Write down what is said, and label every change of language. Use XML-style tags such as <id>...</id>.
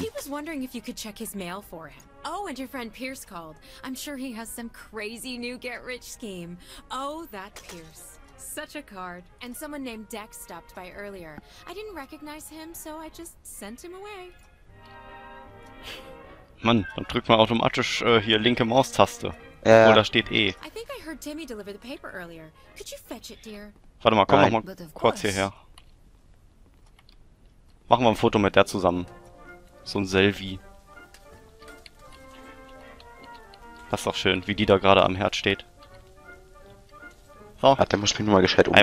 <en>He was wondering if you could check his mail for him. Oh, and your friend Pierce called. I'm sure he has some crazy new get-rich scheme. Oh, that Pierce. Such a card. And someone named Dex stopped by earlier. I didn't recognize him, so I just sent him away.</en> <de>Mann, dann drückt man automatisch hier linke Maustaste. Ja. Oh, da steht E.</de> <en>I think I heard Timmy deliver the paper earlier. Could you fetch it, dear?</en> <de>Warte mal, komm nochmal kurz hierher. Machen wir ein Foto mit der zusammen. So ein Selfie. Das ist doch schön, wie die da gerade am Herd steht. So. Ach, der muss mich nur mal gescheit umdrehen.</de>